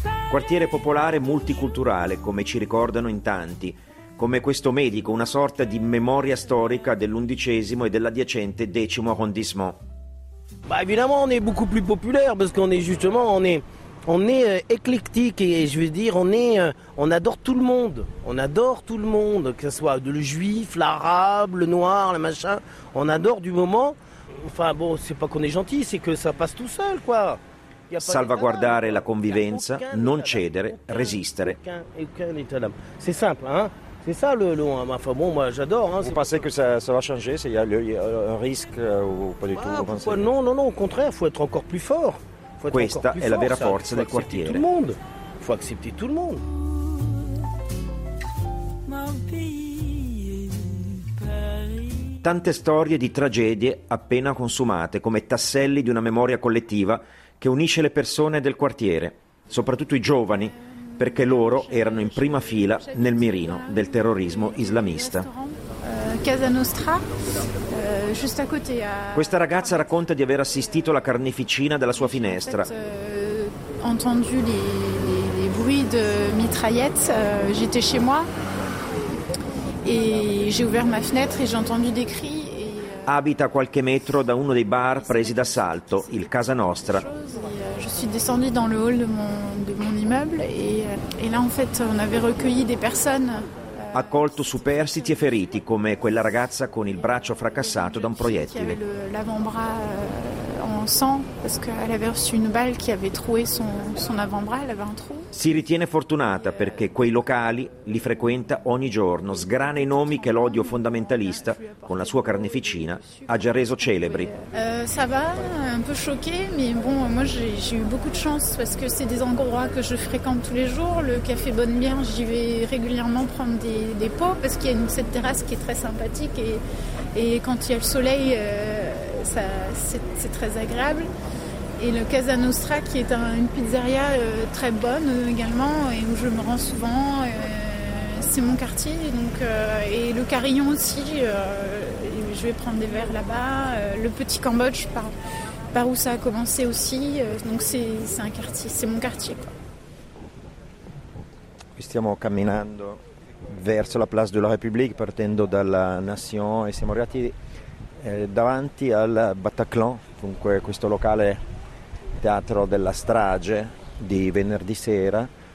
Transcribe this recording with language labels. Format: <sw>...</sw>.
<it>Quartiere popolare multiculturale, come ci ricordano in tanti. Come questo medico, una sorta di memoria storica dell'undicesimo e dell'adiacente decimo arrondissement.</it> <fr>Bah évidemment on est beaucoup plus populaire parce qu'on est justement on est éclectique et je veux dire on adore tout le monde que ce soit le juif, l'arabe, le noir, le machin, on adore du moment. Enfin bon, c'est pas qu'on est gentil, c'est que ça passe tout seul quoi.</fr> <it>Salvaguardare la convivenza, non cedere, resistere.</it> <fr>C'est simple hein. C'est ça le enfin bon moi j'adore hein. Vous pensez que ça va changer, s'il y a un risque ou pas du tout? Pourquoi? Non, au contraire, faut être encore plus fort.</fr> <it>Questa è la vera forza del quartiere.</it> <fr>Tout le monde. Faut accepter tout le monde.</fr> <it>Tante storie di tragedie appena consumate come tasselli di una memoria collettiva che unisce le persone del quartiere, soprattutto i giovani, perché loro erano in prima fila nel mirino del terrorismo islamista. Casa Nostra, giusto</it> <fr>a côté.</fr> <it>Questa ragazza racconta di aver assistito alla carneficina dalla sua finestra.</it> <fr>Ho entendu les bruits de mitraillette, j'étais chez moi e j'ai ouvert ma fenêtre e j'ai entendu des cris.</fr> <it>Abita qualche metro da uno dei bar presi d'assalto, il Casa Nostra.</it> <fr>Je suis descendue dans le hall de mon immeuble et là en fait on avait recueilli des personnes.</fr> <it>Accolto superstiti e feriti come quella ragazza con il braccio fracassato da un proiettile.</it> <fr>L'avambras en sang parce qu'elle avait reçu une balle qui avait troué son avant-bras, elle avait un trou.</fr> <it>Si ritiene fortunata perché quei locali li frequenta ogni giorno, sgrana i nomi che l'odio fondamentalista con la sua carneficina ha già reso celebri.</it> <fr>Ça va, un peu choqué, mais bon, moi j'ai eu beaucoup de chance parce que c'est des endroits que je fréquente tous les jours. Le café Bonne Bière, j'y vais régulièrement prendre des pots parce qu'il y a cette terrasse qui est très sympathique et quand il y a le soleil, ça, c'est très agréable. Et le Casa Nostra qui est une pizzeria très bonne également et où je me rends souvent, c'est mon quartier. Et le Carillon aussi, je vais prendre des verres là-bas. Le Petit Cambodge, par où ça a commencé aussi. Donc c'est un quartier, c'est mon quartier. Quoi.</fr> <it>Stiamo camminando verso la Place de la République, partendo dalla Nation e siamo arrivati davanti al Bataclan, dunque questo locale teatro della strage di venerdì sera.</it>